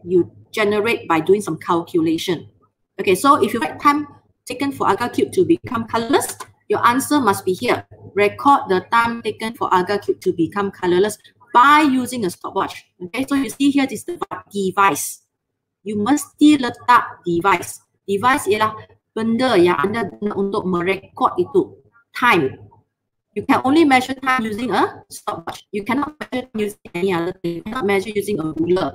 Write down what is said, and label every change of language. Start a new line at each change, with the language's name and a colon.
English: You generate by doing some calculation. Okay, so if you write time taken for agar cube to become colorless, your answer must be here. Record the time taken for agar cube to become colorless by using a stopwatch. Okay, so you see here, this is the device.
Malay: You mesti letak device. Device ialah benda yang anda guna untuk merekod itu, time.
English: You can only measure time using a stopwatch. You cannot measure using any other thing. You cannot measure using a ruler.